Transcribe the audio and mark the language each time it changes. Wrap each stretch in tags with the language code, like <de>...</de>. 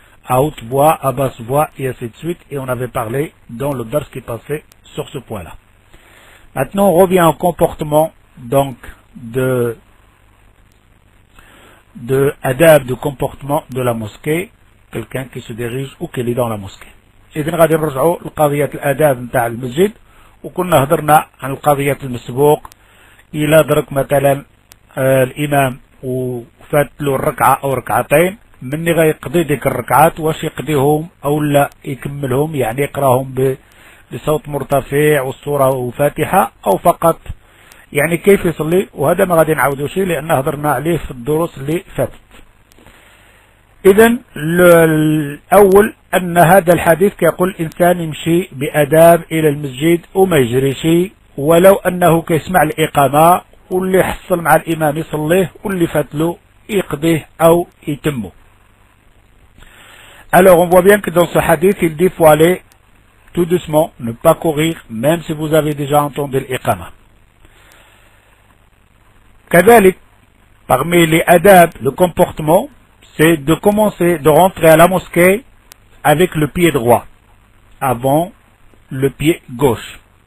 <fr>À haute voix, à basse voix, et ainsi de suite. Et on avait parlé dans le dars qui passait sur ce point-là. Maintenant, on revient au comportement, donc, de adab, de comportement de la mosquée, quelqu'un qui se dirige ou qui est dans la mosquée.</fr> <ar>إذن غادي نرجعوا لقضية الآداب نتاع المسجد، وكنا هضرنا عن القضية المسبوق إلى درك مثلا الإمام وفات له الركعة أو ركعتين، مني غيقضي ديك الركعات واش يقضيهم أو لا يكملهم، يعني يقراهم بصوت مرتفع والصورة وفاتحة، أو فقط يعني كيف يصلي. وهذا ما غادي نعاودوش لأن هضرنا عليه في الدروس اللي فاتت. إذن الأول أن هذا الحديث كيقول الإنسان يمشي بأداب إلى المسجد وما يجريش، ولو أنه كيسمع الإقامة واللي حصل مع الإمام يصليه واللي فاتلو يقضيه أو يتمه.</ar> <fr>Alors on voit bien que dans ce hadith il dit faut aller tout doucement, ne pas courir même si vous avez déjà entendu الإقامة.</fr> <ar>كذلك</ar> <fr>parmi les آداب le comportement c'est de commencer, de rentrer à la mosquée avec le pied droit, avant le pied gauche.</fr>